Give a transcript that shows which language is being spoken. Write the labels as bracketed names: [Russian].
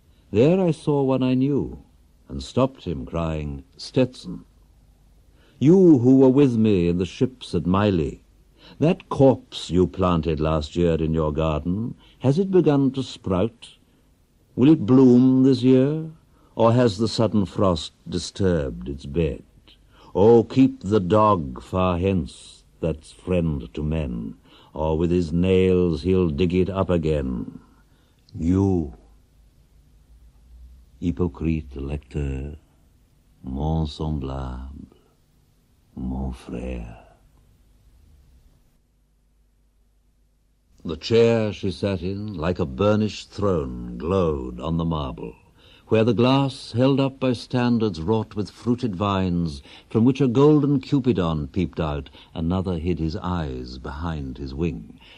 [English] There I saw one I knew and stopped him, crying, Stetson, you who were with me in the ships at Mylae, that corpse you planted last year in your garden, has it begun to sprout? Will it bloom this year? Or has the sudden frost disturbed its bed? Oh, keep the dog far hence that's friend to men, or with his nails he'll dig it up again. [French] You, hypocrite lecteur, mon semblable, mon frère. [English] The chair she sat in, like a burnished throne, glowed on the marble. where the glass held up by standards wrought with fruited vines, from which a golden cupidon peeped out, another hid his eyes behind his wing.